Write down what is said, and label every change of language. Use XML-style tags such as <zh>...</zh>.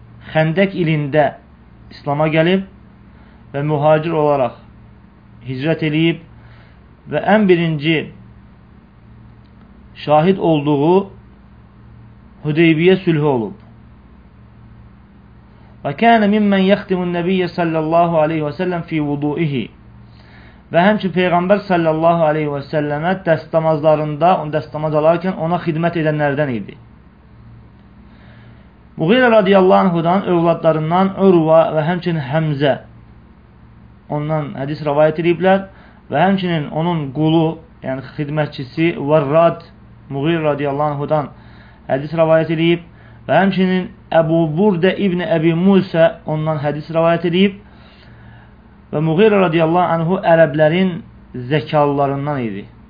<az>Xəndək ilində İslam'a gəlib və mühacir olaraq hicrət eləyib və ən birinci şahid olduğu Hudeybiyyə sülhü olub.</az> <ar>وكان ممن يختم النبي صلى الله عليه وسلم في وضوئه.</ar> <az>Vəhəmçi Peyğəmbər sallallahu aleyhi ve sellemə dəstəmazlarında, onu dəstəmaz alarkən ona xidmət edənlərdən idi. Mughirə radiyallahu anhudan övladlarından Urva və həmçinin Həmzə ondan hədis rivayet ediblər və həmçinin onun qulu, yəni xidmətçisi Varrad Mughirə radiyallahu anhudan hədis rivayet edib və həmçinin Əbu Burdə İbn Əbi Musə ondan hədis rivayet edib və Mughirə radiyallahu anhu ərəblərin zəkalılarından idi.</az>